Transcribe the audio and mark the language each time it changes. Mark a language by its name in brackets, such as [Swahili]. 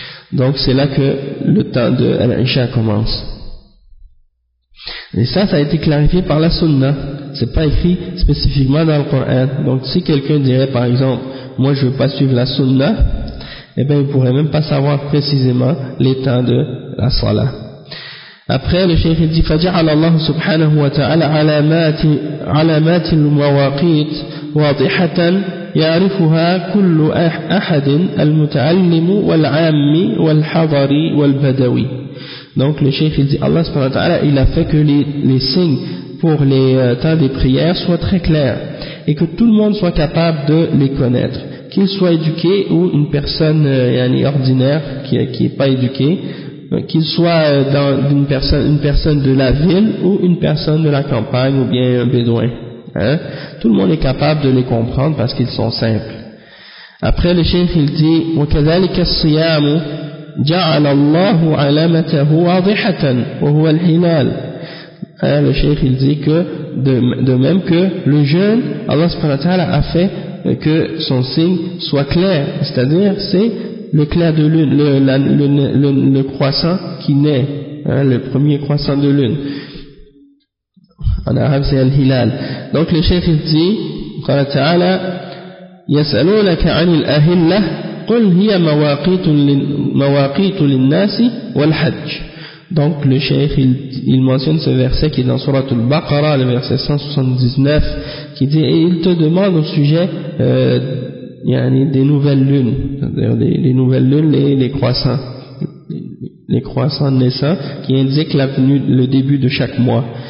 [French] Donc c'est là que le temps de l'Isha commence, et ça a été clarifié par la Sunna. C'est pas écrit spécifiquement dans le Coran. Donc si quelqu'un dirait par exemple moi je veux pas suivre la Sunna, eh bien il pourrait même pas savoir précisément les temps de la Salah. Après, le cheikh dit, [Arabic] فَجَعَلَ اللَّهُ سُبْحَانَهُ وَتَعَالَى عَلَامَاتِ الْمَوَاقِيتِ وَاضِحَةً يَعْرِفُهَا كُلُّ أَحَدٍ الْمُتَعَلِّمُ وَالْعَامِ وَالْحَضَرِ وَالْبَدَوِي. [French] Donc, le cheikh dit, Allah subhanahu wa ta'ala, il a fait que les signes pour les temps des prières soient très clairs et que tout le monde soit capable de les connaître. Qu'il soit éduqué ou une personne ordinaire qui n'est pas éduquée. Qu'il soit une personne de la ville ou une personne de la campagne ou bien un bédouin, hein? Tout le monde est capable de les comprendre parce qu'ils sont simples. Après, le cheikh il dit [Arabic] وَكَذَلِكَ الصِّيَامُ جَعَلَ اللَّهُ عَلَامَتَهُ وَاضِحَةً وَهُوَ الْهِلَالُ. [French] Le cheikh il dit que de même que le jeûne, Allah subhanahu wa ta'ala a fait que son signe soit clair, c'est-à-dire c'est le clair de lune, le croissant qui naît, hein, le premier croissant de lune. En arabe, c'est al-hilal. Donc, le cheikh dit, [Arabic] قال تعالى, يسألونك عن الأهلة قل هي مواقيت للناس والحج. [French] Donc, le cheikh, il mentionne ce verset qui est dans Surat al-Baqarah, le verset 179, qui dit, et il te demande au sujet, des nouvelles lunes, c'est-à-dire les nouvelles lunes, les croissants naissants qui indiquent le début de chaque mois.